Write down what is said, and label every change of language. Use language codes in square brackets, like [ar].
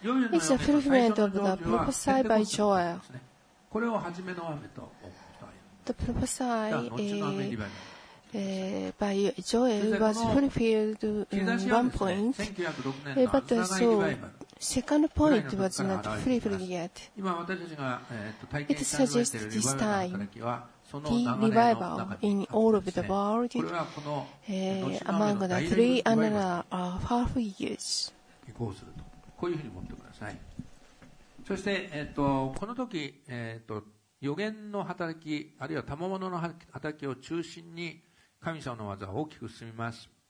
[en] It's a fulfillment of the prophesy by Joel. [ja] これを初めの雨と起こったわけです。 [en] The prophesy by Joel was fulfilled in one point, but so second point was not fulfilled yet. [ja] 今私たちが体験したリバイバルの働きは、その流れの中で [en] in all of the world, [ja] これはこの後の雨の大リバイバルの [en] half years [ja] 移行すると、こういうふうに持ってください。そして、この時、予言の働き、あるいは賜物の働きを中心に神様の技は大きく進みます。